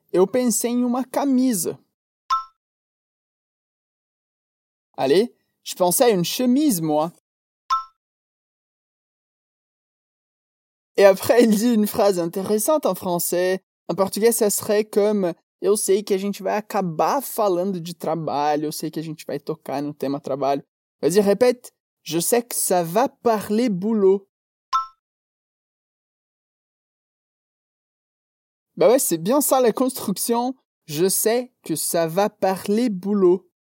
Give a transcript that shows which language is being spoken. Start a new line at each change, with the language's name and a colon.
Portuguese: Eu pensei em uma camisa.
French: Allez, je pensais à une chemise, moi. Et après, il dit une phrase intéressante en français. En portugais, ça serait comme,
Portuguese: eu sei que a gente vai acabar falando de trabalho. Eu sei que a gente vai tocar no tema trabalho.
French: Vas-y, répète. Je sais que ça va parler boulot. Bah ouais, c'est bien ça la construction. Je sais que ça va parler boulot.